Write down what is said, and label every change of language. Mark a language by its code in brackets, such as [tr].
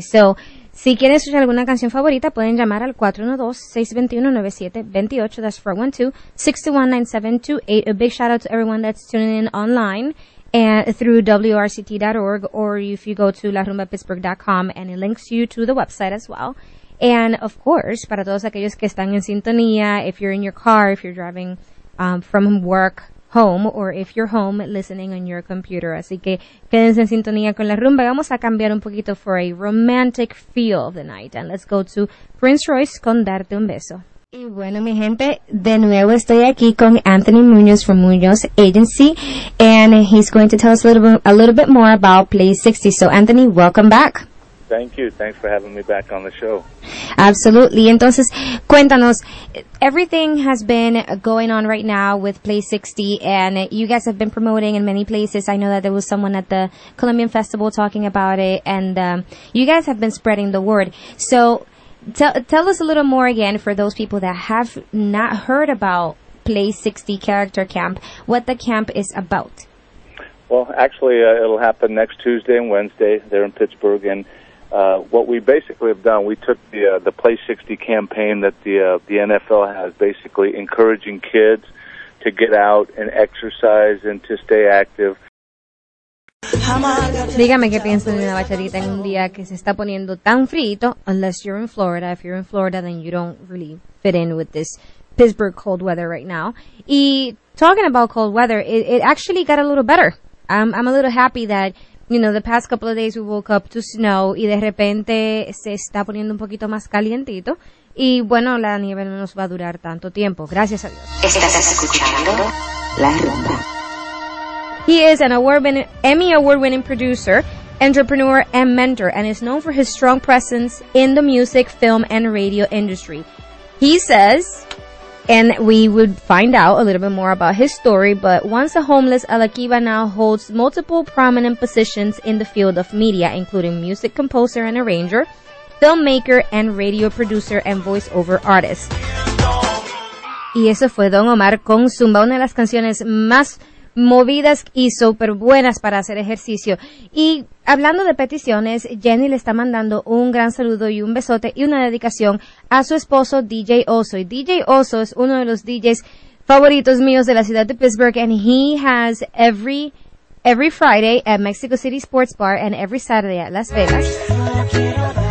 [es] So, si quieren escuchar alguna canción favorita, pueden llamar al 412-621-9728. [en] That's 412-621-9728. A big shout out to everyone that's tuning in online and through WRCT.org, or if you go to larumbapittsburgh.com, and it links you to the website as well. And of course, [es] para todos aquellos que están en sintonía, [en] if you're in your car, if you're driving from work, home, or if you're home listening on your computer. [es] Así que quédense en sintonía con La Rumba. Vamos a cambiar un poquito [en] for a romantic feel of the night. And let's go to [es] Prince Royce con Darte Un Beso. Y bueno, mi gente, de nuevo estoy aquí con Anthony Muñoz from Muñoz Agency. [en] And he's going to tell us a little bit more about Play 60. So, Anthony, welcome back. Thank you. Thanks for having me back on the show. Absolutely. [es] Entonces, cuéntanos, [en] everything has been going on right now with Play 60, and you guys have been promoting in many places. I know that there was someone at the Colombian Festival talking about it, and you guys have been spreading the word. So tell us a little more again for those people that have not heard about Play 60 Character Camp, what the camp is about. Well, actually, it'll happen next Tuesday and Wednesday there in Pittsburgh, and what we basically have done, we took the Play 60 campaign that the NFL has, basically encouraging kids to get out and exercise and to stay active. [es] Dígame qué piensa de una bachatita en un día que se está poniendo tan frito, [en] unless you're in Florida. If you're in Florida, then you don't really fit in with this Pittsburgh cold weather right now. Y talking about cold weather, it actually got a little better. I'm a little happy that, you know, the past couple of days we woke up to snow [es] y de repente se está poniendo un poquito más calientito. Y bueno, la nieve no nos va a durar tanto tiempo. Gracias a Dios. ¿Estás escuchando La Rumba? [en] He is an Emmy Award-winning producer. entrepreneur, and mentor, and is known for his strong presence in the music, film, and radio industry. He says, and we would find out a little bit more about his story, but once a homeless, Alakiba now holds multiple prominent positions in the field of media, including music composer and arranger, filmmaker and radio producer, and voiceover artist. [es] Y eso fue Don Omar con Zumba, una de las canciones más movidas y súper buenas para hacer ejercicio. Y hablando de peticiones, Jenny le está mandando un gran saludo y un besote y una dedicación a su esposo DJ Oso. Y DJ Oso es uno de los DJs favoritos míos de la ciudad de Pittsburgh, [en] and he has every Friday at Mexico City Sports Bar and every Saturday at Las Vegas.